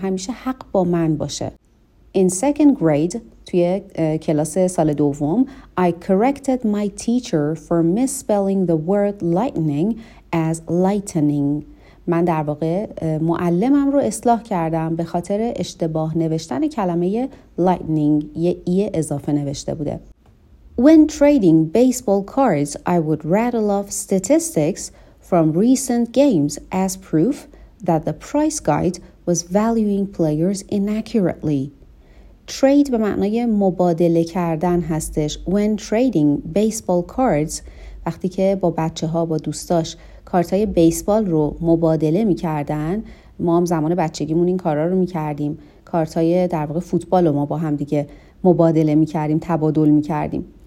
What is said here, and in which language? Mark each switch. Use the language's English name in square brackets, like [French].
[Persian] همیشه حق با من باشه. [English] In second grade، [Persian] توی کلاس سال دوم، [English] I corrected my teacher for misspelling the word lightning as lightening. [Persian] من در واقع معلمم رو اصلاح کردم به خاطر اشتباه نوشتن کلمه lightning. یه ایه اضافه نوشته بوده. [English] When trading baseball cards, I would rattle off statistics from recent games as proof that the price guide was valuing players inaccurately. [Persian] Trade به معنای مبادله کردن هستش. [English] When trading baseball cards، [Persian] وقتی که با بچه ها با دوستاش کارتای بیسبال رو مبادله می کردن، ما هم زمان بچگیمون این کارا رو می کردیم. کارتای در واقع فوتبال رو ما با هم دیگه مبادله می کردیم، تبادل می کردیم.